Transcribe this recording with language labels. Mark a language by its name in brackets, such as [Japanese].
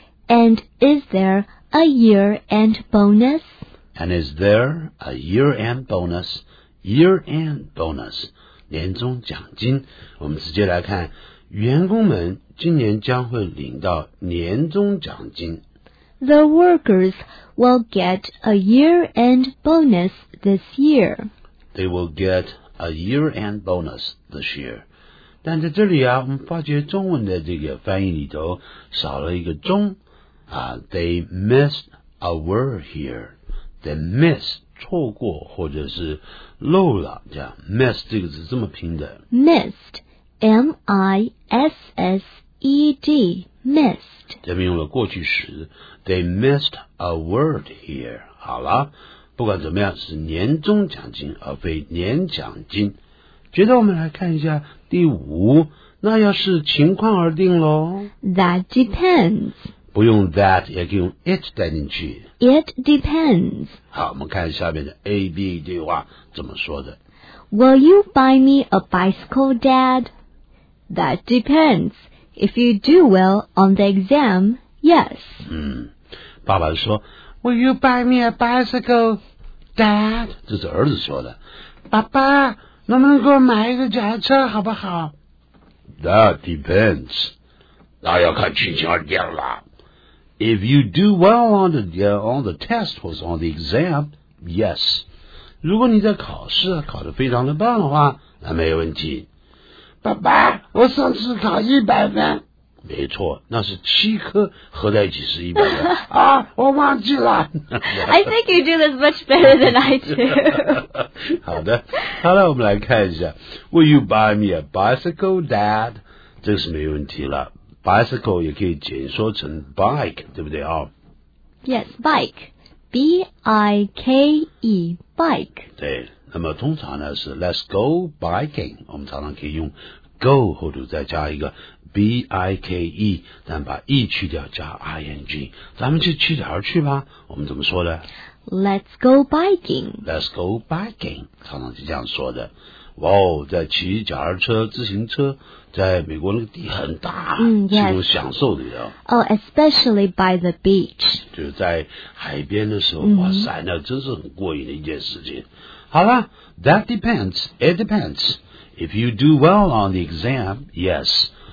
[English] And is there a year-end bonus? And is there a year-end bonus? Year-end bonus, 年终奖金。 [Chinese] 我们直接来看，员工们今年将会领到年终奖金。 [English] The workers will get a year-end bonus this year. They will get a year-end bonus this year. [Chinese] 但在这里啊，我们发觉中文的这个翻译里头少了一个中啊， [English] they missed a word here. [Chinese] They miss 错过或者是漏了，这样 miss 这个字这么拼的 [English] missed M-I-S-S-E-D missed [Chinese] 这边用了过去时 [English] They missed a word here. [Chinese] 好了，不管怎么样是年终奖金而非年奖金。接着我们来看一下第五，那要是情况而定咯。 [English] That depends [Chinese] 不用 that， 也可以用 it 带进去。 [English] It depends。 [Chinese] 好，我们看下面的 A B 对话怎么说的。 [English] Will you buy me a bicycle, Dad? That depends. If you do well on the exam, yes. [Chinese] 爸爸说 [English] ，Will you buy me a bicycle, Dad？ [Chinese] 这是儿子说的。爸爸，能不能给我买一个脚踏车，好不好 ？ [English] That depends。 [Chinese] 那要看情形而定了。 [English] If you do well on the test or on the exam, yes. [Chinese] 如果你在考试考得非常的棒的话，那没有问题。爸爸，我上次考100分。没错，那是七科合在一起是100分。啊，我忘记了。 [English] I think you do this much better than I do. [Chinese] 好的，好了，我们来看一下。 [English] Will you buy me a bicycle, Dad? [Chinese] 这是没问题了。 Bicycle 也可以简缩成 bike， 对不对啊？ [English] Yes, bike. B-I-K-E, bike. [Chinese] 对，那么通常呢是 [English] let's go biking， [Chinese] 我们常常可以用 go 后头再加一个 B-I-K-E， 但把 e 去掉加 ing， 咱们去骑点儿去吧，我们怎么说的？ [English] Let's go biking. Let's go biking， [Chinese] 常常是这样说的。哇哦，在骑脚踏车、自行车，在美国那个地很大，是种享受的呀。 [English] Oh, especially by the beach. [Chinese] 就是在海边的时候，哇塞，那真是很过瘾的一件事情。 [English] 好了 ，That depends. It depends. If you do well on the exam, yes.